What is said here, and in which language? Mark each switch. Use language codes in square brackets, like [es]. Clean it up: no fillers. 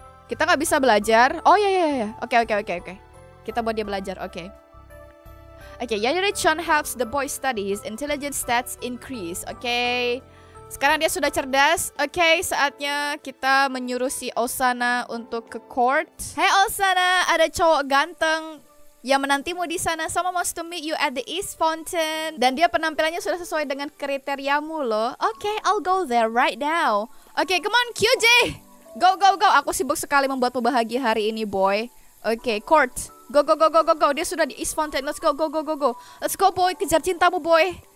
[id] Kita gak bisa belajar? Oh, iya. Okay. Kita buat dia belajar, okay. [en] Okay, Yandere-chan helps the boy study. His intelligence stats increase. Okay. [id] Sekarang dia sudah cerdas. Okay, saatnya kita menyuruh si Osana untuk ke court. Hey Osana, ada cowok ganteng yang menantimu di sana. [en] Someone wants to meet you at the East Fountain. [id] Dan dia penampilannya sudah sesuai dengan kriteriamu loh. [en] Okay, I'll go there right now. [id] Okay, [en] come on Kyuji. Go. [id] Aku sibuk sekali membuatmu bahagia hari ini, boy. [en] Okay, court. Go. [id] Dia sudah di East Fountain. [en] Let's go. Let's go, boy. [id] Kejar cintamu, [en] boy.